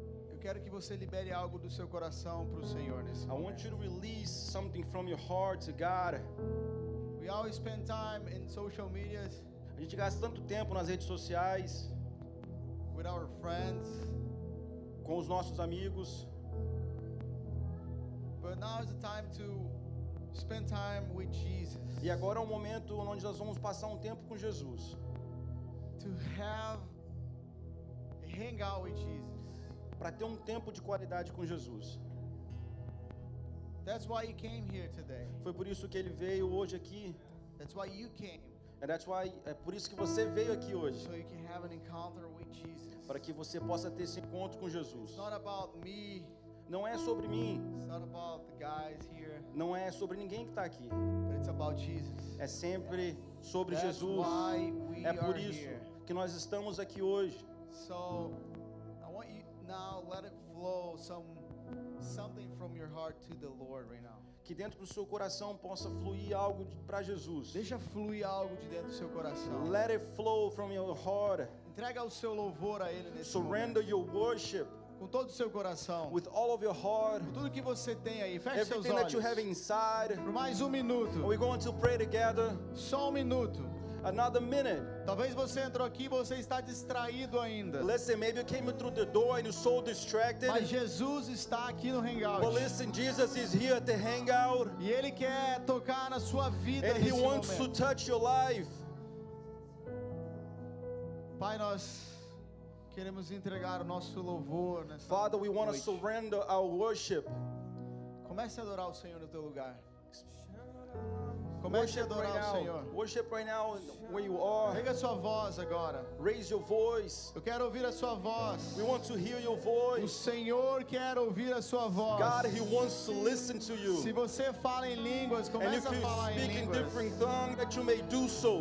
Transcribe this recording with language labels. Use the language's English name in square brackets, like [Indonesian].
[Portuguese] Eu quero que você libere algo do seu coração para o Senhor nesse momento. [English] I want you to release something from your heart to God. We always spend time in social media. [Portuguese] A gente gasta tanto tempo nas redes sociais. [English] With our friends. [Portuguese] Com os nossos amigos. [English] But now is the time to spend time with Jesus. [Portuguese] E agora é o momento onde nós vamos passar um tempo com Jesus. [English] To have a hangout with Jesus. [Portuguese] Para ter um tempo de qualidade com Jesus. [English] That's why he came here today. [Portuguese] Foi por isso que ele veio hoje aqui. [English] That's why you came. And that's why, [Portuguese] é por isso que você veio aqui hoje. [English] So you can have an encounter with Jesus. [Portuguese] Para que você possa ter esse encontro com Jesus. [English] It's not about me. [Portuguese] Não é sobre mim. [English] It's not about the guys here. [Portuguese] Não é sobre ninguém que está aqui. [English] But it's about Jesus. [Portuguese] É sempre sobre [English] that's Jesus. Why we [Portuguese] é por isso [English] here. [Portuguese] Que nós estamos aqui hoje. [English] So, I want you now let it flow something from your heart to the Lord right now. [Portuguese] Que dentro do seu coração possa fluir algo para Jesus. Deixa fluir algo de dentro do seu coração. [English] Let it flow from your heart. [Portuguese] Entrega o seu louvor a ele nesse [English] surrender [Portuguese] momento. [English] Surrender your worship. [Portuguese] Com todo o seu coração. [English] With all of your heart. [Portuguese] Com tudo que você tem aí. Feche [English] everything [Portuguese] seus olhos. [English] That you have inside. [Portuguese] Por mais um minuto. [English] We're going to pray together. [Portuguese] Só um minuto. [English] Another minute. [Portuguese] Talvez você entrou aqui e você está distraído ainda. [English] Listen, maybe you came through the door and you're so distracted. [Portuguese] Mas Jesus está aqui no hangout. [English] Well, listen, Jesus is here at the hangout. [Portuguese] E ele quer tocar na sua vida nesse momento. [English] And he wants to touch your life. [Portuguese] Pai, nós queremos entregar o nosso louvor nessa noite. [English] Father, we want to surrender our worship. [Portuguese] Comece a adorar o Senhor no teu lugar. Comece a adorar [English] right [Portuguese] o Senhor. [English] Worship right now where you are. [Portuguese] Pega sua voz agora. [English] Raise your voice. [Portuguese] Eu quero ouvir a sua voz. [English] We want to hear your voice. [Portuguese] O Senhor quer ouvir a sua voz. [English] God, he wants to listen to you. [Portuguese] Se você fala em línguas, comece a falar em línguas. [English] And if you speak in different tongues, that you may do so.